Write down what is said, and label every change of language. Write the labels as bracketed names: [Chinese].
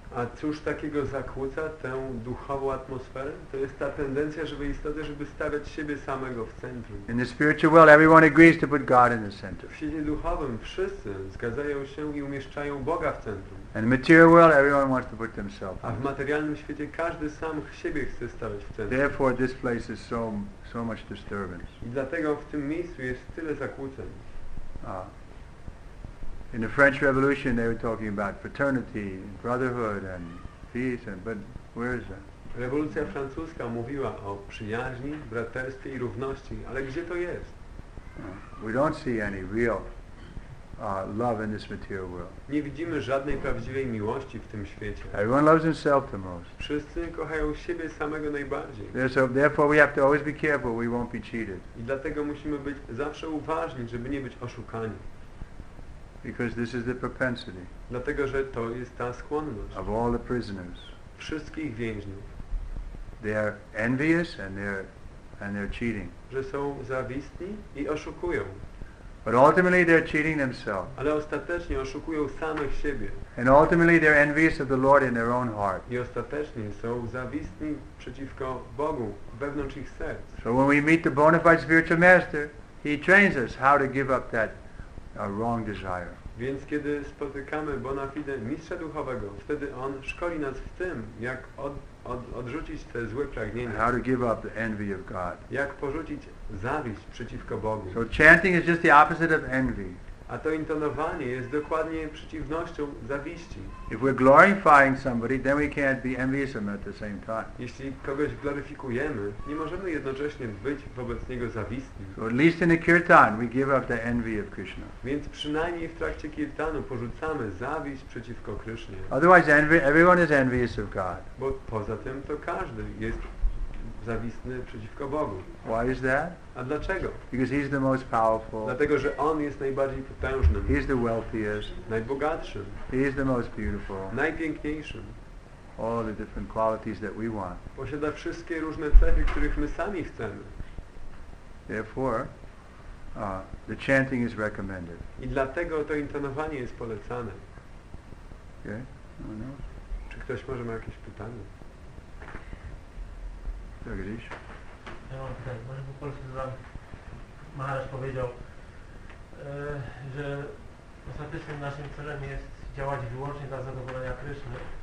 [Polish] A cóż takiego zakłóca tę duchową atmosferę? To jest ta tendencja, żeby istotę, żeby stawiać siebie samego w centrum. [English] In the spiritual world, everyone agrees to put God in the center. [Polish] W świecie duchowym wszyscy zgadzają się i umieszczają Boga w centrum. [English] In the material world, everyone wants to put themselves. [Polish] A w materialnym świecie każdy sam siebie chce stawiać w centrum. [English] Therefore, this place is so much disturbance. [Polish] I dlatego w tym miejscu jest tyle zakłóceń. [English] In the French Revolution, they were talking about fraternity, brotherhood, and peace. But where is that? [Polish] Rewolucja francuska mówiła o przyjaźni, braterstwie i równości, ale gdzie to jest? [English] We don't see any real love in this material world. [Polish] Nie widzimy żadnej prawdziwej miłości w tym świecie. [English] Everyone loves himself the most. [Polish] Wszyscy kochają siebie samego najbardziej. [English] Therefore, we have to always be careful; we won't be cheated. [Polish] I dlatego musimy być zawsze uważni, żeby nie być oszukani. [English] Because this is the propensity. [Polish] Dlatego, że to jest ta skłonność. [English] Of all the prisoners. [Polish] Wszystkich więźniów. [English] They are envious and they're cheating. [Polish] Że są zawistni i oszukują. [English] But ultimately they're cheating themselves. [Polish] Ale ostatecznie oszukują samych siebie. [English] And ultimately they're envious of the Lord in their own heart. [Polish] I ostatecznie są zawistni przeciwko Bogu wewnątrz ich serc. [English] So when we meet the bona fide spiritual master, he trains us how to give up that a wrong desire. [Polish] Więc kiedy spotykamy bona fide mistrza duchowego, wtedy on szkoli nas w tym, jak odrzucić te złe pragnienia. [English] How to give up the envy of God. [Polish] Jak porzucić zawiść przeciwko Bogu. [English] So chanting is just the opposite of envy. [Polish] A to intonowanie jest dokładnie przeciwnością zawiści. [English] If we're glorifying somebody, then we can't be envious of them at the same time. [Polish] Jeśli kogoś gloryfikujemy, nie możemy jednocześnie być wobec niego zawistni. [English] So at least in the kirtan, we give up the envy of Krishna. [Polish] Więc przynajmniej w trakcie kirtanu porzucamy zawiść przeciwko Krishnie. [English] Otherwise, everyone is envious of God. [Polish] Bo poza tym to każdy jest zawistny przeciwko Bogu. [English] Why is that? [Polish] A dlaczego? [English] Because he's the most powerful. [Polish] Dlatego, że on jest najbardziej potężny. [English] He's the wealthiest. [Polish] Najbogatszy. [English] He's the most beautiful. [Polish] Najpiękniejszy. [English] All the different qualities that we want. [Polish] Posiada wszystkie różne cechy, których my sami chcemy. [English] Therefore, the chanting is recommended. [Polish] I dlatego to intonowanie jest polecane. [English] Okay. No one else? [Polish] Czy ktoś może ma jakieś pytanie? Jagadish? Ja mam pytanie. Może po polsku to Maharaj powiedział, że ostatecznym naszym celem jest działać wyłącznie dla zadowolenia Kryszny.